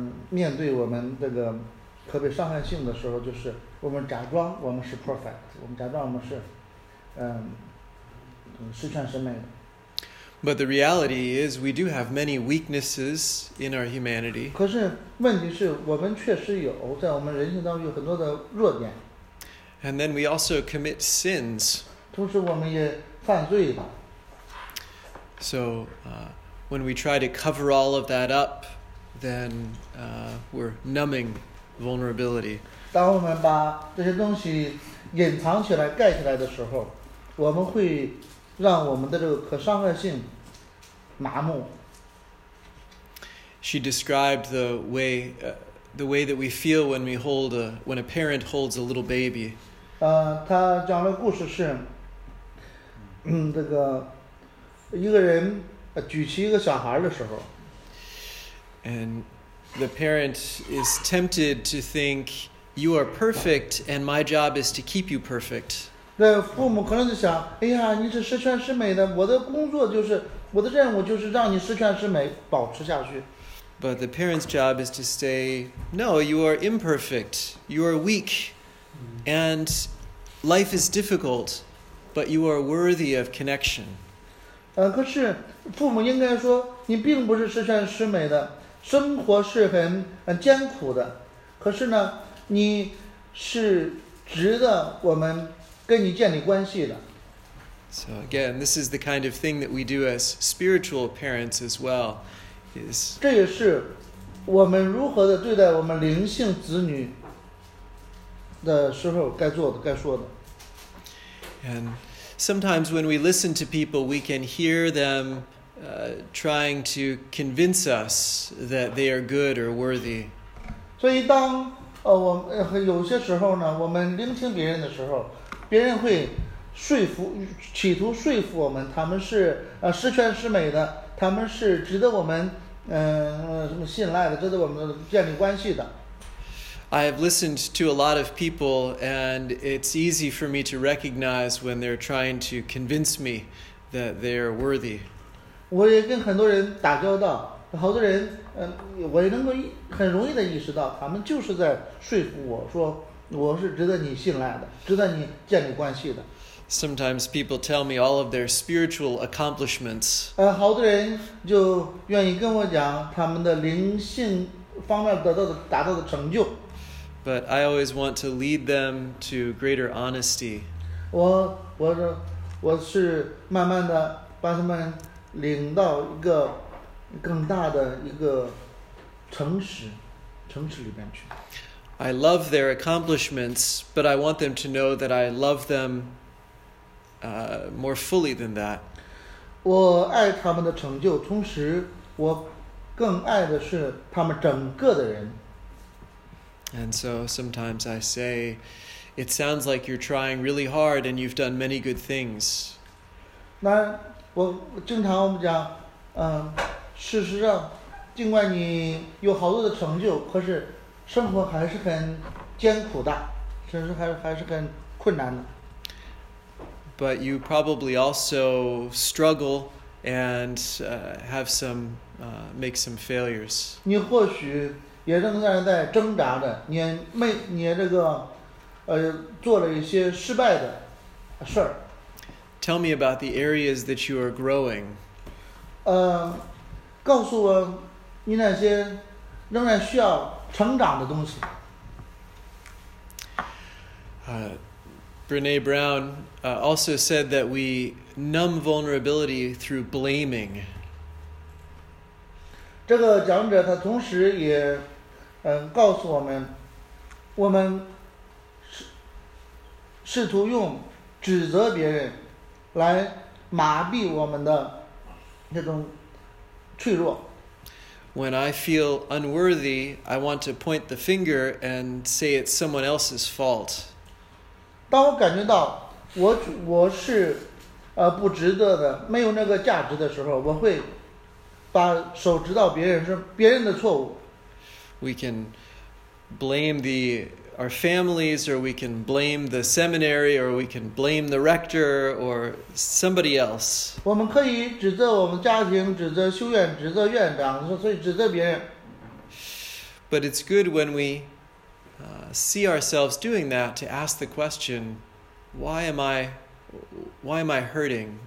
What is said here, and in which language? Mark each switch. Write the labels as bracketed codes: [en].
[zh] 面对我们这个可被伤害性的时候，就是我们假装我们是 perfect， 我们假装我们是十全十美的。 [en] But the reality is we do have many weaknesses in our humanity. [zh] 可是问题是我们确实有，在我们人性当中有很多的弱点。 [en] And then we also commit sins. [zh] 同时我们也犯罪了。 [en] So, when we try to cover all of that up, then, we're numbing vulnerability. [zh] 当我们把这些东西隐藏起来，盖起来的时候，我们会让我们的这个可伤害性麻木。 [en] She described the way that we feel when we hold a when a parent holds a little baby. [zh] 她讲的故事是，这个一个人举起一个小孩的时候。 [en] And the parent is tempted to think you are perfect, and my job is to keep you perfect. [zh] 那父母可能就想，哎呀，你是十全十美的，我的工作就是，我的任务就是让你十全十美，保持下去。 [en] But the parent's job is to say, no, you are imperfect, you are weak, and life is difficult, but you are worthy of connection. [zh] 可是父母应该说，你并不是十全十美的，生活是很艰苦的，可是呢，你是值得我们跟你建立关系的。 [en] So again, this is the kind of thing that we do as spiritual parents as well. Is [zh] 这也是我们如何的对待我们灵性子女的时候该做的、该说的。 [en] And sometimes when we listen to people, we can hear them trying to convince us that they are good or worthy. [zh] 所以当我有些时候呢，我们聆听别人的时候。别人会说服，企图说服我们，他们是十全十美的，他们是值得我们什么信赖的，值得我们建立关系的。 [en] I have listened to a lot of people, and it's easy for me to recognize when they're trying to convince me that they're worthy. [zh] 我也跟很多人打交道，好多人我也能够很容易的意识到，他们就是在说服我说。我是值得你信赖的，值得你建立关系的。 [en] Sometimes people tell me all of their spiritual accomplishments. [zh] 好多人就愿意跟我讲他们的灵性方面得到的达到的成就。 [en] But I always want to lead them to greater honesty. [zh] 我是慢慢的把他们领到一个更大的一个诚实里面去。 [en] I love their accomplishments, but I want them to know that I love them more fully than that. [zh] 我爱他们的成就，同时我更爱的是他们整个的人。 [en] And so sometimes I say, it sounds like you're trying really hard and you've done many good things. [zh] 那我经常我们讲，事实上，尽管你有好多的成就，可是生活还是很艰苦的，甚至还是很困难的。 [en] But you probably also struggle and have some make some failures. [zh] 你或许也仍然在挣扎的，你这个做了一些失败的事儿。 [en] Tell me about the areas that you are growing. [zh] 告诉我你那些仍然需要成长的东西。 [en] Brené Brown also said that we numb vulnerability through blaming. [zh] 这个讲者他同时也告诉我们，我们试图用指责别人来麻痹我们的那种脆弱。 [en] When I feel unworthy, I want to point the finger and say it's someone else's fault. [zh] 当我感觉到我是不值得的，没有那个价值的时候，我会把手指到别人，是别人的错误。 [en] We can blame the our families, or we can blame the seminary, or we can blame the rector, or somebody else. But it's good when we see ourselves doing that to ask the question, why am I hurting?